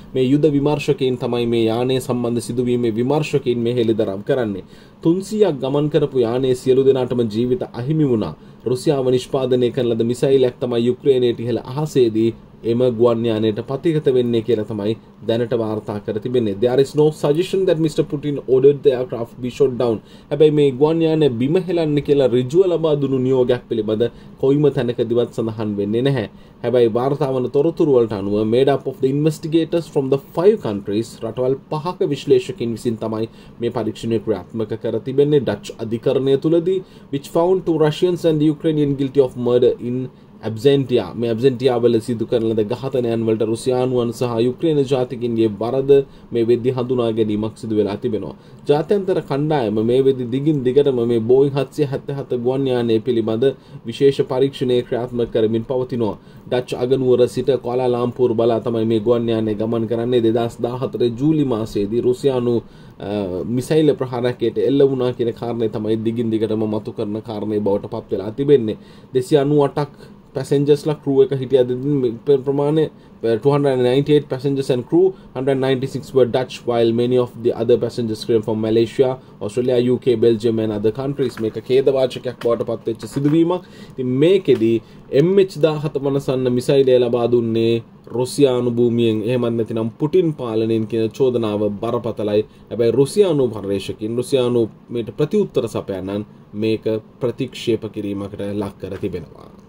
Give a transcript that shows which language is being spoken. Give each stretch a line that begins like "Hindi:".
Sinhala: මේ යුද විමර්ශකයින් තමයි මේ යානය සම්බන්ධ සිදුවීමේ විමර්ශකයින් මේ හෙළිදරව් කරන්නේ. 300ක් ගමන් කරපු යානයේ සියලු දෙනාටම ජීවිත අහිමි වුණා. රුසියාව නිෂ්පාදනය කරන ලද මිසයිලයක් තමයි යුක්‍රේනයට ඉහළ අහසේදී එම ගුවන් යානයට පතිගත වෙන්නේ කියලා තමයි දැනට වාර්තා කර තිබෙන්නේ.
English: There is no suggestion that Mr. Putin ordered the aircraft be shot down.
Sinhala: හැබැයි මේ ගුවන් යානය බිම හෙලන්න කියලා ඍජුව ලබා දුණු නියෝගයක් පිළිබඳ කොයිම තැනකදීවත් සඳහන් වෙන්නේ නැහැ. හැබැයි වාර්තා වන තොරතුරු වලට අනුව
English: made up of the investigators from the 5 countries
Sinhala: රටවල් පහක විශ්ලේෂකයින් විසින් තමයි මේ පරීක්ෂණය ක්‍රියාත්මක කර තිබෙන්නේ ඩච් අධිකරණය තුලදී,
English: which found 2 Russians and the Ukrainian guilty of murder in absentia.
Sinhala: මේ absentia වල සිදු කරන ලද ඝාතනයන් වලට රුසියානුවන් සහ යුක්‍රේන ජාතිකින්ගේ බරද මේ වෙද්දි හඳුනා ගැනීමක් සිදු වෙලා තිබෙනවා. ජාත්‍යන්තර කණ්ඩායම මේ වෙද්දි දිගින් දිගටම මේ Boeing 777 ගුවන් යානය පිළිබඳ විශේෂ පරීක්ෂණයේ ක්‍රියාත්මක කරමින් පවතිනවා. ඩච් අගනුවර සිට කුවාලා ලම්පුර් බලා තමයි මේ ගුවන් යානය ගමන් කරන්නේ. 2014 ජූලි මාසයේදී රුසියානු මිසයිල් ප්‍රහාරයකට එල්ල වුණා කියන කාරණේ තමයි දිගින් දිගටම මතු කරන කාරණේ බවට පත් වෙලා තිබෙන්නේ. 298ක් පැසෙන්ජර්ස්ලා ක්‍රූ එක හිටිය දෙදින් ප්‍රමාණය
English: 298 passengers and crew, 196 were Dutch, while many of the other passengers came from Malaysia, Australia, UK, Belgium and other countries.
Sinhala: මේක ඛේදවාචකයක් බවට පත් වෙච්ච සිදුවීමක්. ඉතින් මේකෙදි MH17 වනසන්න මිසයිලය ලබා දුන්නේ රුසියානු භූමියෙන්, එහෙමත් නැතිනම් පුටින් පාලනයෙන් කියන චෝදනාව බරපතලයි. හැබැයි රුසියානු පර්යේෂකින් රුසියානු මේට ප්‍රතිඋත්තර සපයන්නන් මේක ප්‍රතික්ෂේප කිරීමකට ලක් කර තිබෙනවා.